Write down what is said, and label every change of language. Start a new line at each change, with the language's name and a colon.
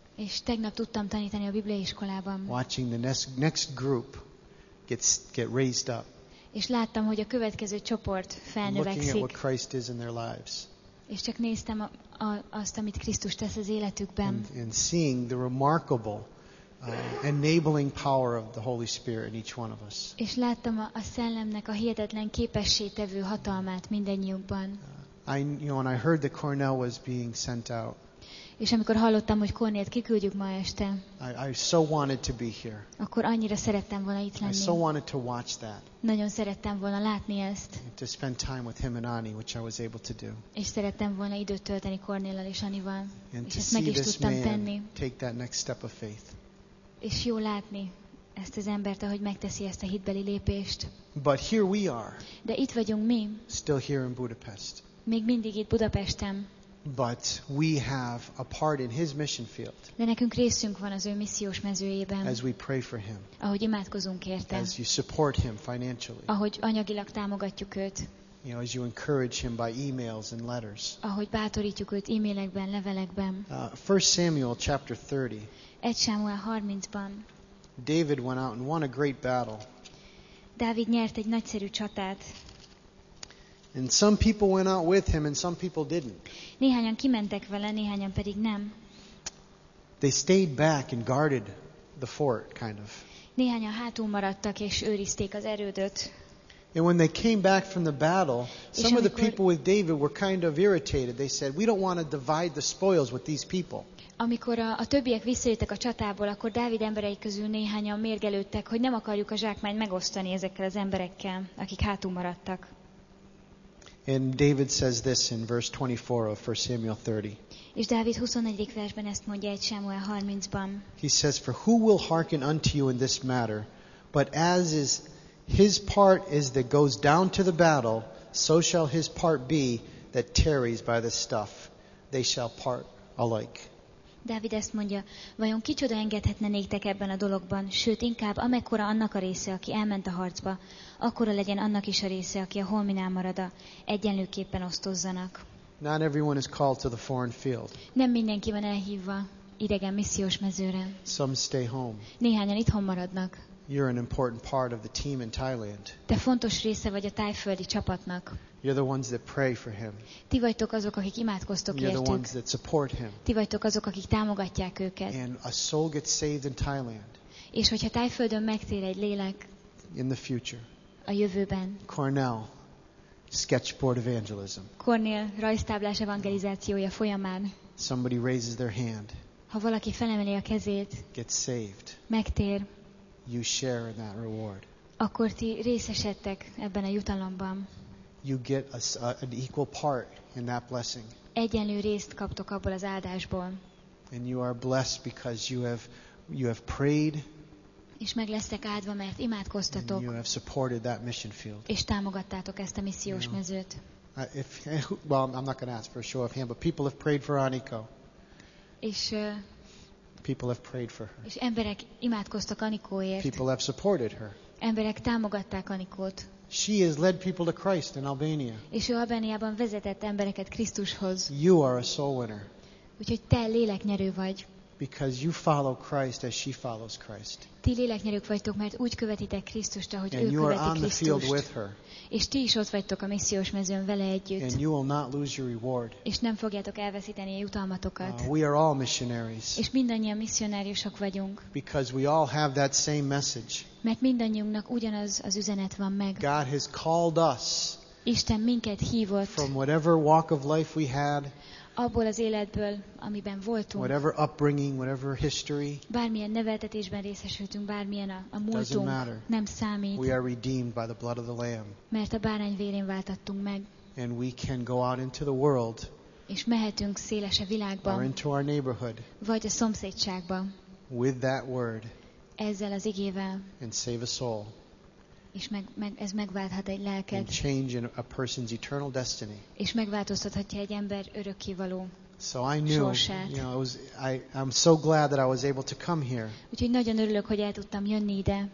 Hungarian: És tegnap tudtam tanítani a Biblia iskolában.
English: Watching the next group get raised up.
Hungarian: És láttam, hogy a következő csoport felnövekszik.
English: Looking at what Christ is in their lives.
Hungarian: És csak néztem azt, amit Krisztus tesz az életükben.
English: And seeing the remarkable enabling power of the Holy Spirit in each one of us.
Hungarian: És láttam a szellemnek a hihetetlen képességtevő hatalmát mindennyiunkban.
English: And I heard that Cornell was being sent out.
Hungarian: És amikor hallottam, hogy Cornélt kiküldjük ma este,
English: I so wanted to be here.
Hungarian: Akkor annyira szerettem volna itt lenni.
English: I so wanted to watch that.
Hungarian: Nagyon szerettem volna látni ezt.
English: And to spend time with him and Annie, which I was able to do.
Hungarian: És szerettem volna időt tölteni Cornéllal és Annival,
English: and
Hungarian: és ezt meg is tudtam tenni.
English: Take that next step of faith.
Hungarian: És jó látni ezt az embert, ahogy megteszi ezt a hitbeli lépést.
English: But here we are.
Hungarian: De itt vagyunk mi.
English: Still here in Budapest.
Hungarian: Még mindig itt Budapesten.
English: But we have a part in his mission field.
Hungarian: De nekünk részünk van az ő missziós mezőjében.
English: As we pray for him.
Hungarian: Ahogy imádkozunk érte.
English: As you support him financially.
Hungarian: Ahogy anyagilag támogatjuk őt.
English: You know, as you encourage him by emails and letters.
Hungarian: Ahogy bátorítjuk őt e-mailekben, levelekben.
English: 1 Samuel chapter 30.
Hungarian: 1 Samuel 30-ban.
English: David went out and won a great battle.
Hungarian: Dávid nyert egy nagyszerű csatát.
English: And some people went out with him and some people didn't.
Hungarian: Néhányan kimentek vele, néhányan pedig nem.
English: They stayed back and guarded the fort kind of.
Hungarian: Néhányan hátul maradtak és őrizték az erődöt.
English: And when they came back from the battle, some of the people with David were kind of irritated. They said, "We don't want to divide the spoils with these people."
Hungarian: Amikor a többiek visszajöttek a csatából, akkor Dávid emberei közül néhányan mérgelődtek, hogy nem akarjuk a zsákmányt megosztani ezekkel az emberekkel, akik hátul maradtak.
English: And David says this in verse 24 of 1 Samuel 30.
Hungarian: És Dávid 24. versben ezt mondja 1 Samuel 30-ban.
English: He says, "For who will hearken unto you in this matter? But as is his part is that goes down to the battle, so shall his part be that tarries by the stuff. They shall part alike."
Hungarian: Dávid ezt mondja, vajon kicsoda engedhetne néktek ebben a dologban, sőt inkább amekkora annak a része, aki elment a harcba, akkora legyen annak is a része, aki a holminál marad, egyenlőképpen osztozzanak.
English: Not everyone is called to the foreign field.
Hungarian: Nem mindenki van elhívva idegen missziós mezőre.
English: Some stay home.
Hungarian: Néhányan itthon maradnak.
English: You're an important part of the team in Thailand.
Hungarian: Te fontos része vagy a tájföldi csapatnak.
English: You're the ones that pray for him.
Hungarian: Ti vagytok azok, akik imádkoztok értük.
English: You're the ones that support him.
Hungarian: Ti vagytok azok, akik támogatják őket.
English: And a soul gets saved in Thailand.
Hungarian: És hogyha Tájföldön megtér egy lélek.
English: In the future.
Hungarian: A jövőben.
English: Cornell, sketchboard evangelism.
Hungarian: Cornell, rajztáblás evangelizációja folyamán.
English: Somebody raises their hand.
Hungarian: Ha valaki felemeli a kezét.
English: Gets saved.
Hungarian: Megtér.
English: You share in that reward.
Hungarian: Akkor ti részesedtek ebben a jutalomban.
English: You get an equal part in that blessing.
Hungarian: Egyenlő részt kaptok abból az áldásból.
English: And you are blessed because you have prayed.
Hungarian: És meg lesztek áldva, mert imádkoztatok.
English: And you have supported that mission field.
Hungarian: És támogattátok ezt a missziós mezőt.
English: I'm not going to ask for a show of hand, but people have prayed for Aniko.
Hungarian: És
English: people have prayed for her.
Hungarian: És emberek imádkoztak Anikóért.
English: People have supported her.
Hungarian: Emberek támogatták Anikót.
English: She has led people to Christ in Albania.
Hungarian: És ő Albániában vezetett embereket Krisztushoz.
English: You are a soul winner.
Hungarian: Úgyhogy te léleknyerő vagy.
English: Because you follow Christ as she follows Christ.
Hungarian: Ti léleknyerők vagytok, mert úgy követitek Krisztust, ahogy ő követi Krisztust.
English: And you are on the field with her.
Hungarian: És ti is ott vagytok a missziós mezőn vele együtt.
English: And you will not lose your reward.
Hungarian: És nem fogjátok elveszíteni a jutalmatokat.
English: We are all missionaries.
Hungarian: És mindannyian missionáriusok vagyunk.
English: Because we all have that same message.
Hungarian: Mert mindannyiunknak ugyanaz az üzenet van meg.
English: God has called us.
Hungarian: Isten minket hívott.
English: From whatever walk of life we had.
Hungarian: Abból az életből, amiben voltunk.
English: Whatever upbringing, whatever history.
Hungarian: Bármilyen neveltetésben részesültünk, bármilyen a múltunk.
English: Doesn't matter.
Hungarian: Nem számít.
English: We are redeemed by the blood of the Lamb.
Hungarian: Mert a bárány vérén váltattunk meg.
English: And we can go out into the world.
Hungarian: És mehetünk széles a világban.
English: Or into our neighborhood.
Hungarian: Vagy a szomszédságban.
English: With that word.
Hungarian: Ezzel az igével.
English: And save a soul.
Hungarian: És ez megválthat egy lelket.
English: And change in a person's eternal destiny.
Hungarian: És megváltoztathatja egy ember örökkévaló
English: So I knew, you know, I'm so glad that I was able to come here.
Hungarian: Úgyhogy nagyon örülök, hogy el tudtam jönni ide.